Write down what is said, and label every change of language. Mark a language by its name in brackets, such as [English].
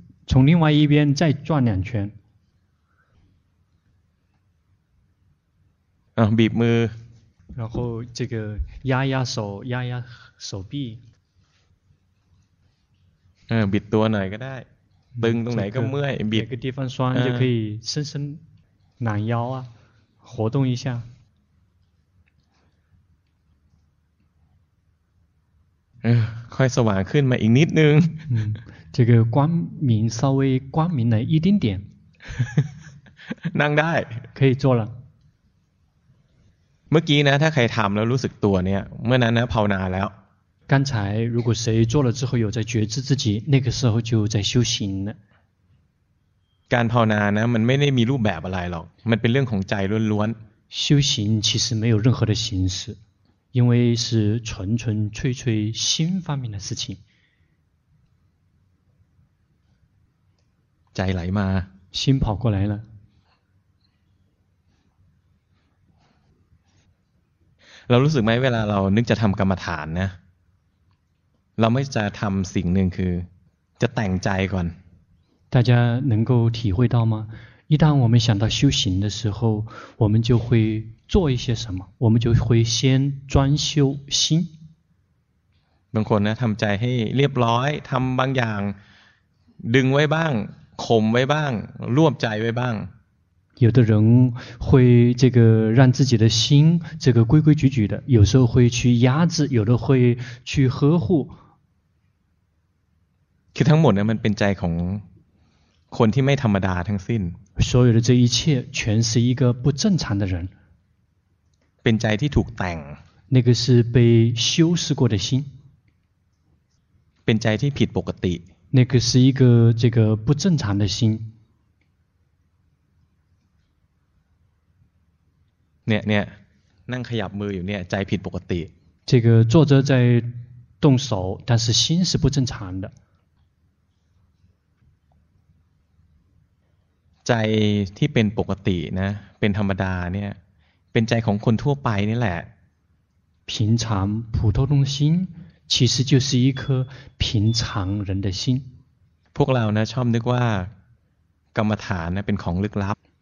[Chinese] 从另外一边再转两圈 [Thai] บีบมือ [Chinese] 然后这个压压手压压手臂 [Thai] บีบตัวหน่อยก็ได้ตึงตรงไหนก็เมื่อยบีบ [Chinese] 这个地方酸就可以伸伸懒腰啊活动一下 [Thai] ค่อยสว่างขึ้นมาอีกนิดนึง [Chinese] 这个光明稍微光明了一丁点 [Thai] นั่งได้ [Chinese] 可以坐了 [Thai] เมื่อกี้นะถ้าใครทำแล้วรู้สึกตัวเนี่ยเมื่อนั้นนะภาวนาแล้ว [Chinese] 刚才如果谁做了之后有在觉知自己那个时候就在修行 [Thai] การภาวนานะมันไม่ได้มีรูปแบบอะไรหรอกมันเป็นเรื่องของใจล้วน [Chinese] ๆ修行其实没有任何的形式因为是纯纯粹粹心方面的事情 [Thai] ใจไหลมา [Chinese] 心跑过来了 [Thai] เรารู้สึกไหมเวลาเรานึกจะทำกรรมฐานนะเราไม่จะทำสิ่งหนึ่งคือจะแต่งใจก่อน [Chinese] 大家能够体会到吗一旦我们想到修行的时候我们就会做一些什么我们就会先专修心 [Thai] บางคนนะทำใจให้เรียบร้อยทำบางอย่างดึงไว้บ้างข่มไว้บ้างรวบใจไว้บ้าง [Chinese] 有的人会这个让自己的心这个规规矩矩的有时候会去压制有的会去呵护 [Thai] คือทั้งหมดนั้นมันเป็นใจของคนที่ไม่ธรรมดาทั้งสิ้น [Chinese] 所有的这一切全是一个不正常的人 [Thai] เป็นใจที่ถูกแต่ง [Chinese] 那个是被修饰过的心 [Thai] เป็นใจที่ผิดปกติ [Chinese] 那个是一个这个不正常的心 [Thai] เนี่ยเนี่ยนั่งขยับมืออยู่เนี่ยใจผิดปกติ [Chinese] 这个坐着在动手但是心是不正常的 [Thai] ใจที่เป็นปกตินะเป็นธรรมดาเนี่ยเป็นใจของคนทั่วไปนี่แหละ [Chinese] 平常普通的心其实就是一颗平常人的心 [Thai] พวกเรานะชอบนึกว่ากรรมฐานนะเป็นของลึกลับ